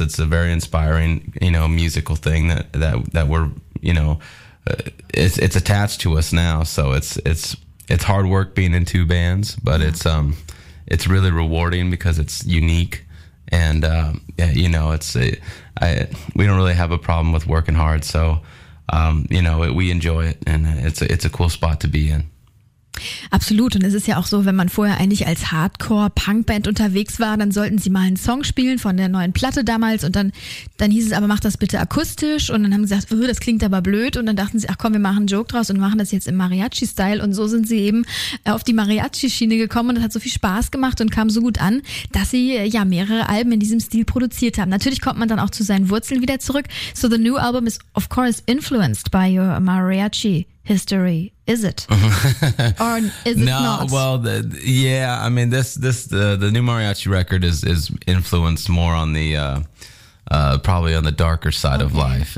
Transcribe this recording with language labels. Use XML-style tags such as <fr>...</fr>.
<en>It's a very inspiring, you know, musical thing that we're, you know, it's attached to us now, so it's hard work being in 2 bands, but it's really rewarding because it's unique, and we don't really have a problem with working hard, so we enjoy it, and it's a cool spot to be in.</en> <de>Absolut, und es ist ja auch so, wenn man vorher eigentlich als Hardcore-Punk-Band unterwegs war, dann sollten sie mal einen Song spielen von der neuen Platte damals und dann hieß es aber, mach das bitte akustisch, und dann haben sie gesagt, das klingt aber blöd, und dann dachten sie, ach komm, wir machen einen Joke draus und machen das jetzt im Mariachi-Style, und so sind sie eben auf die Mariachi-Schiene gekommen und das hat so viel Spaß gemacht und kam so gut an, dass sie ja mehrere Alben in diesem Stil produziert haben. Natürlich kommt man dann auch zu seinen Wurzeln wieder zurück.</de> <en>So the new album is of course influenced by your Mariachi history, is it? Or is it not? The new Mariachi record is influenced more on the probably on the darker side of life.</en>